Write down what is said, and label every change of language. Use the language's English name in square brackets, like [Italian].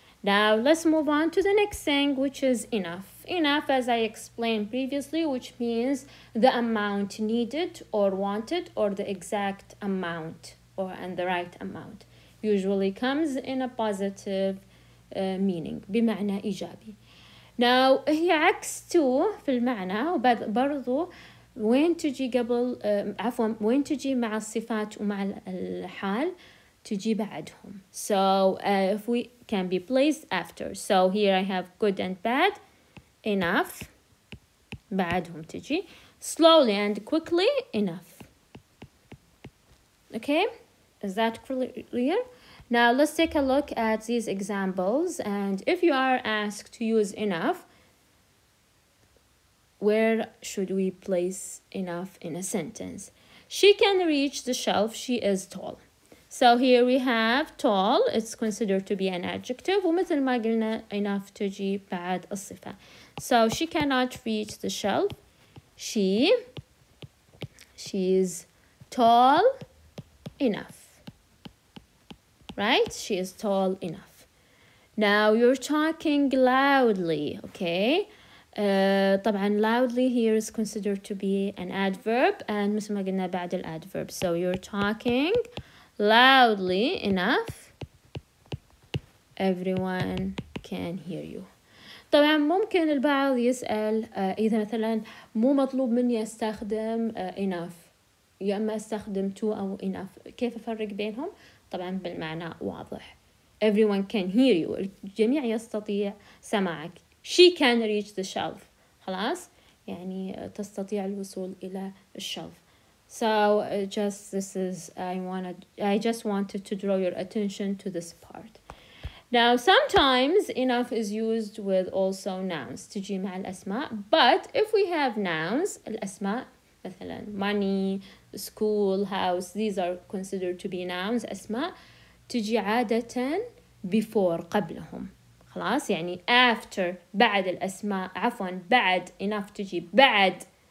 [English] Now let's move on to the next thing, which is enough. Enough, as I explained previously, which means the amount needed or wanted or the exact amount or and the right amount. Usually comes in a positive meaning. [Arabic] بمعنى إيجابي. [English] Now, [Arabic] هي عكس to في المعنى وبرضو وين تجي قبل عفوا وين تجي مع الصفات ومع الحال تجي بعدهم. [English] So, if we can be placed after. So, here I have good and bad. Enough. [Arabic] بعدهم تجي. [English] Slowly and quickly. Enough. Okay? Is that clear? Now, let's take a look at these examples, and if you are asked to use enough, where should we place enough in a sentence? She can reach the shelf. She is tall. So, here we have tall. It's considered to be an adjective. [Arabic] ومثل ما قلنا enough تجي بعد الصفة. [English] So, she cannot reach the shelf. She's tall enough. Right? She is tall enough. Now, you're talking loudly, okay? طبعا loudly here is considered to be an adverb. [Arabic] And مثل ما قلنا بعد الادverb. [English] So, you're talking loudly enough. Everyone can hear you. [Arabic] طبعا ممكن البعض يسأل إذا مثلا مو مطلوب مني أستخدم enough. يا أما أستخدم to أو enough. كيف أفرق بينهم؟ طبعاً بالمعنى واضح. [English] Everyone can hear you. [Arabic] الجميع يستطيع سماعك. [English] She can reach the shelf. [Arabic] خلاص؟ يعني تستطيع الوصول إلى الشلف. [English] So just this is I just wanted to draw your attention to this part. Now sometimes enough is used with also nouns [Arabic] تجي مع الأسماء, [English] but if we have nouns الأسماء مثلا money, school, house, these are considered to be nouns [Arabic] أسماء تجي عادة [English] before [Arabic] قبلهم خلاص يعني [English] after [Arabic] بعد الأسماء عفوا بعد enough تجي بعد